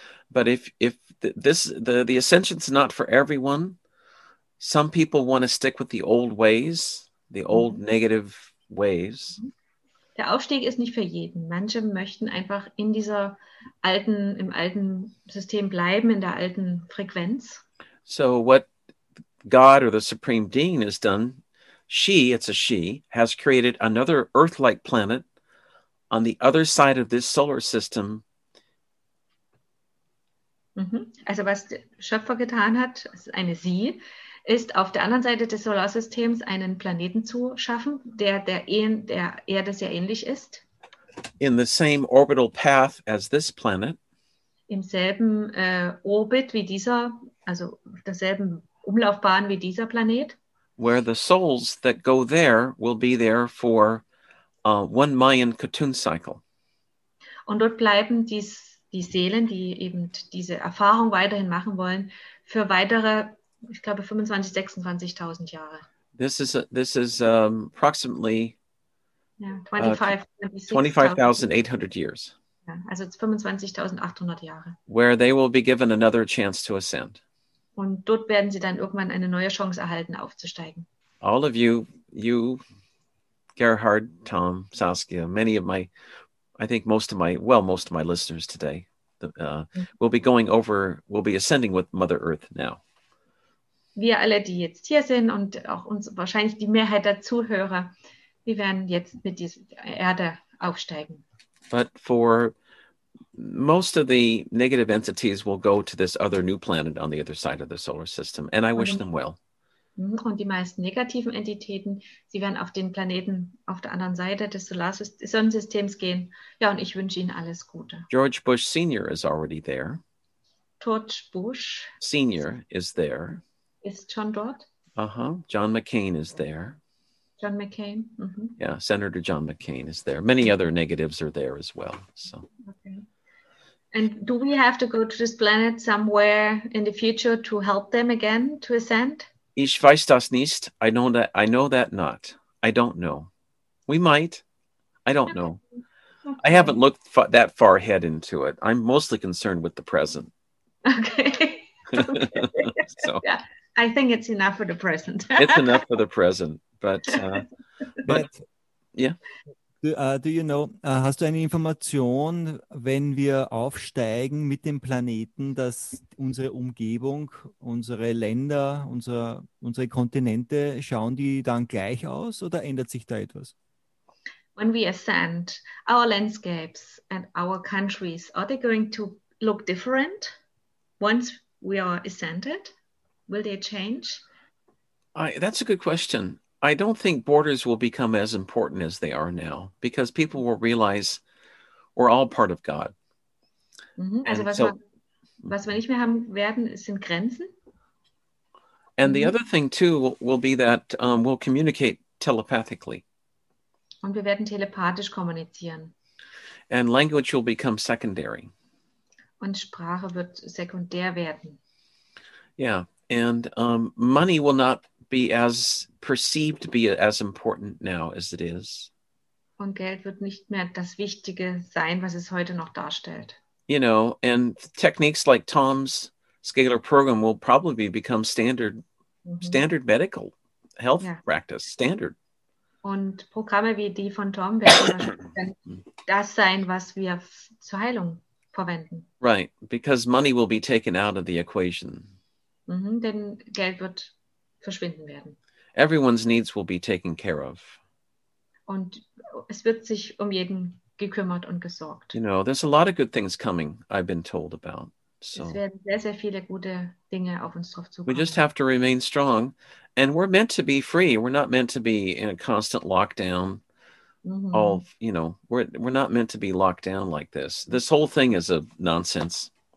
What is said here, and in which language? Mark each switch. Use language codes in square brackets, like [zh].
[en] But if the ascension's not for everyone, some people want to stick with the old ways, the old negative ways. [de] Der Aufstieg ist nicht für jeden. Manche möchten einfach in dieser alten, im alten System bleiben, in der alten Frequenz. [en] So what God or the Supreme Being has done, she, has created another Earth-like planet on the other side of this solar system. [de] Also was der Schöpfer getan hat, eine sie, ist auf der anderen Seite des Solarsystems einen Planeten zu schaffen, der Erde sehr ähnlich ist. [en] In the same orbital path as this planet. [de] Im selben Orbit wie dieser, also derselben Umlaufbahn wie dieser Planet. [en] Where the souls that go there will be there for one Mayan Ketun cycle. [de] Und dort bleiben die Seelen, die eben diese Erfahrung weiterhin machen wollen, für weitere, ich glaube, 25.000, 26.000 Jahre. [en] This is approximately 25,800 years. [de] Ja, also 25.800 Jahre. [en] Where they will be given another chance to ascend. [de] Und dort werden sie dann irgendwann eine neue Chance erhalten, aufzusteigen. [en] All of you, Gerhard, Tom, Saskia, most of my listeners today will be ascending with Mother Earth now. [de] Wir alle, die jetzt hier sind und auch uns wahrscheinlich die Mehrheit der Zuhörer, wir werden jetzt mit dieser Erde aufsteigen. [en] but for most of the negative entities will go to this other new planet on the other side of the solar system, and I wish them well. [de] Und die meisten negativen Entitäten, sie werden auf den Planeten auf der anderen Seite des Sonnensystems gehen. Ja, und ich wünsche ihnen alles Gute. [en] George Bush Senior is already there. George Bush Senior is there. [de] Ist schon dort. [en] Uh-huh. John McCain is there. John McCain. Mm-hmm. Yeah, Senator John McCain is there. Many other negatives are there as well. So. Okay. And do we have to go to this planet somewhere in the future to help them again to ascend? [de] Ich weiß das nicht. [en] I know that not. I don't know. We might. I don't know. Okay. I haven't looked that far ahead into it. I'm mostly concerned with the present. Okay. So. Yeah. I think it's enough for the present. It's enough for the present, but yeah. Do you know, [de] hast du eine Information, wenn wir aufsteigen mit dem Planeten, dass unsere Umgebung, unsere Länder, unsere Kontinente, schauen die dann gleich aus oder ändert sich da etwas? [en] When we ascend, our landscapes and our countries, are they going to look different once we are ascended? Will they change? That's a good question. I don't think borders will become as important as they are now, because people will realize we're all part of God. Mm-hmm. [de] Also was wir nicht mehr haben werden, sind Grenzen. [en] And the other thing too will be that we'll communicate telepathically. [de] Und wir werden telepathisch kommunizieren. [en] And language will become secondary. [de] Und Sprache wird sekundär werden. [en] Yeah, and money will not be as perceived to be as important now as it is. [de] Und Geld wird nicht mehr das Wichtige sein, was es heute noch darstellt. [en] You know, and techniques like Tom's scalar program will probably become standard, standard medical health practice, standard. [de] Und Programme wie die von Tom werden das sein, was wir zur Heilung verwenden. [en] Right, because money will be taken out of the equation. [de] Mm-hmm, denn Geld wird verschwinden werden. [en] Everyone's needs will be taken care of. [de] Und es wird sich um jeden gekümmert und gesorgt. [en] You know, there's a lot of good things coming, I've been told about. So. [de] Es werden sehr, sehr viele gute Dinge auf uns drauf zukommen. [en] We just have to remain strong. And we're meant to be free. We're not meant to be in a constant lockdown. Mm-hmm. All, you know, we're not meant to be locked down like this. This whole thing is a nonsense.